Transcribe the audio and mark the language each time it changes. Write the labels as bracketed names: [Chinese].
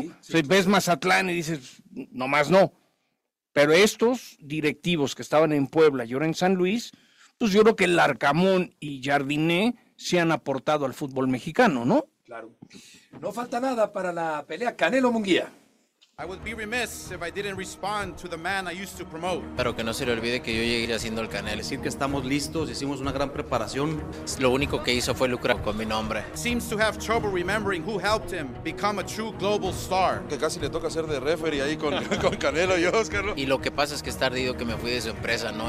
[Spanish] Sí, o sea, sí, ves Mazatlán y dices, nomás no. Pero estos directivos que estaban en Puebla y ahora en San Luis, pues yo creo que el Arcamón y Jardiné se han aportado al fútbol mexicano, ¿no? Claro. No falta nada para la pelea Canelo Munguía. [English] I would be remiss if I didn't respond to the man I used to promote. [Spanish] Pero que no se le olvide que yo llegué haciendo el Canelo. Decir que estamos listos, hicimos una gran preparación. Lo único que hizo fue lucrar con mi nombre. [English] Seems to have trouble remembering who helped him become a true global star. [Spanish] Que casi le toca ser de referee ahí con Canelo y Oscar. Y lo que pasa es que está ardido que me fui de su empresa, ¿no?